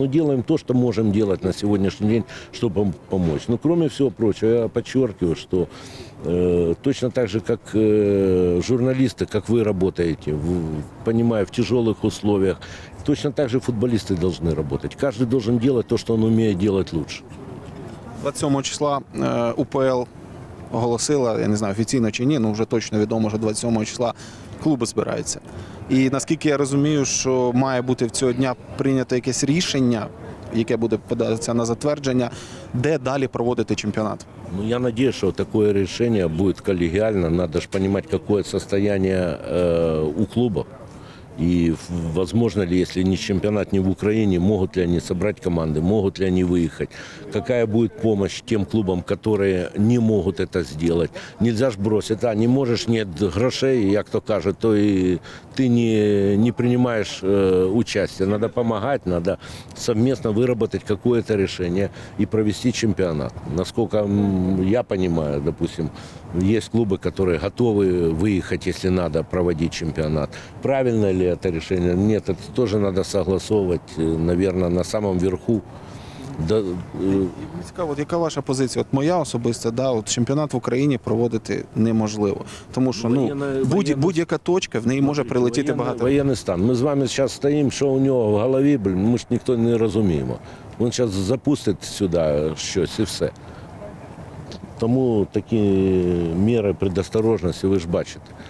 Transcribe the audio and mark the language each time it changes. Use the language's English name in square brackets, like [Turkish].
[Russian] Но делаем то, что можем делать на сегодняшний день, чтобы помочь. Но кроме всего прочего, я подчеркиваю, что точно так же, как журналисты, как вы работаете, понимая, в тяжелых условиях, точно так же футболисты должны работать. Каждый должен делать то, что он умеет делать лучше. [Ukrainian] 27 числа УПЛ оголосила, я не знаю, офіційно чи ні, ну вже точно відомо, що 27 числа клуби збираються. І наскільки я розумію, що має бути в цього дня прийнято якесь рішення, яке буде податися на затвердження, де далі проводити чемпіонат? Ну, я сподіваюся, що таке рішення буде колегіальне. Треба ж розуміти, яке стан у клубу. [Russian] И возможно ли, если не чемпионат, не в Украине, могут ли они собрать команды, могут ли они выехать? Какая будет помощь тем клубам, которые не могут это сделать? Нельзя же бросить, а не можешь, нет грошей, как кто кажет, то и ты не принимаешь участие. Надо помогать, надо совместно выработать какое-то решение и провести чемпионат. Насколько я понимаю, допустим, есть клубы, которые готовы выехать, если надо, проводить чемпионат. Правильно ли это решение? Нет, это тоже надо согласовывать, наверное, на самом верху. Да. [Ukrainian] Цікаво, от яка ваша позиція? От моя особиста, да, от чемпіонат в Україні проводити неможливо. Тому що ну, будь-яка точка, в неї може прилетіти багато. Воєнний стан. Ми з вами зараз стоїмо, що у нього в голові, блін, ми ж ніхто не розуміємо. Він зараз запустить сюди щось і все. Тому такі міри предосторожності ви ж бачите.